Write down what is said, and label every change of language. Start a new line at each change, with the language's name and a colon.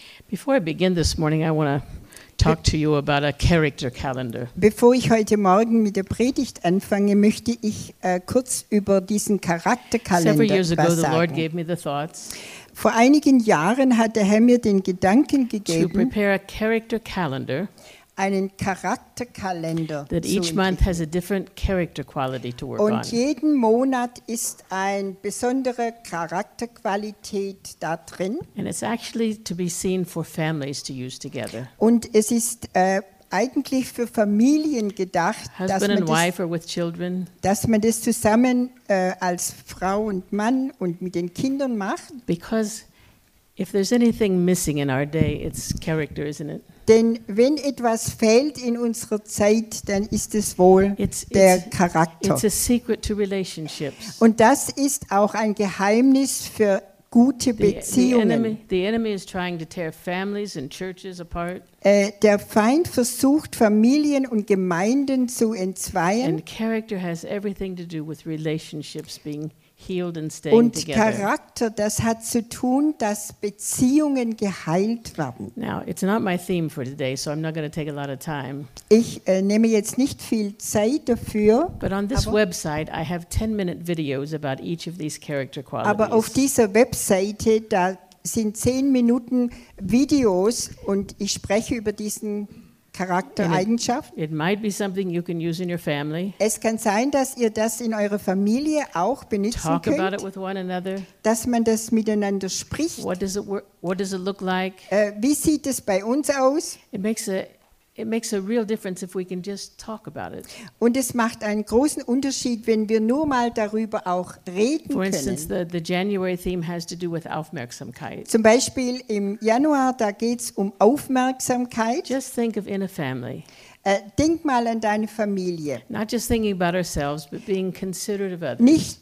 English: Before I begin this morning, I want to talk to you about a character calendar.
German: Bevor ich heute Morgen mit der Predigt anfange, möchte ich kurz über diesen Charakterkalender sprechen.
English: Several years ago, the Lord gave me the thoughts.
German: Vor einigen Jahren hat der Herr mir den Gedanken gegeben,
English: to prepare a character calendar,
German: einen Charakterkalender
English: that each month has a different character quality to work on.
German: Und jeden Monat ist eine besondere Charakterqualität da drin.
English: And it's actually to be seen for families to use together.
German: Und es ist eigentlich für Familien gedacht, dass man das zusammen als Frau und Mann und mit den Kindern macht.
English: Because if there's anything missing in our day, it's character, isn't it?
German: Denn wenn etwas fehlt in unserer Zeit, dann ist es wohl der Charakter.
English: It's a secret to relationships.
German: Und das ist auch ein Geheimnis für gute Beziehungen. Der Feind versucht, Familien und Gemeinden zu entzweien.
English: And character has everything to do with relationships being healed and staying
German: und
English: together.
German: Charakter, das hat zu tun, dass Beziehungen geheilt werden.
English: Now, it's not my theme for today, so I'm not going to take a lot of time.
German: Ich nehme jetzt nicht viel Zeit dafür.
English: But on this website, I have 10-minute videos about each of these character qualities.
German: Aber auf dieser Webseite, da sind 10 Minuten Videos und ich spreche über diesen Charaktereigenschaft.
English: It might be something you can use in your family.
German: Es kann sein, dass ihr das in eurer Familie auch benutzen
English: Talk
German: könnt.
English: About it with one another.
German: Dass man das miteinander spricht.
English: What does it look like?
German: Wie sieht es bei uns aus?
English: It makes a real difference if we can just talk about it.
German: Und es macht einen großen Unterschied, wenn wir nur mal darüber auch reden können.
English: For instance,
German: können.
English: The January theme has to do with Aufmerksamkeit.
German: Zum Beispiel im Januar, da geht's um Aufmerksamkeit.
English: Just think of in a family.
German: Denk mal an deine Familie.
English: Not just thinking about ourselves, but being considerate of others.